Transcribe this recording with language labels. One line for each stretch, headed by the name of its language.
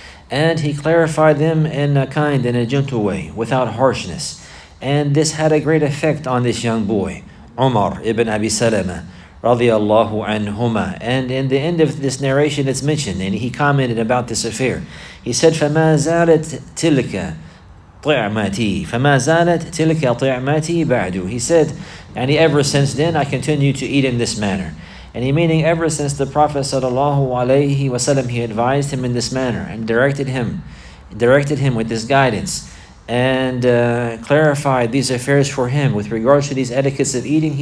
English: And he clarified them in a kind and a gentle way, without harshness. And this had a great effect on this young boy, Umar ibn Abi Salama, radiallahu anhuma. And in the end of this narration, it's mentioned, and he commented about this affair. He said,
Arabic: فَمَا زَالَتْ تِلْكَ طِعْمَتِي فَمَا زَالَتْ تِلْكَ طِعْمَتِي بَعْدُ.
English: He said, and ever since then I continue to eat in this manner. And he meaning ever since the Prophet sallallahu alayhi wa sallam, he advised him in this manner and directed him with this guidance and clarified these affairs for him with regards to these etiquettes of eating.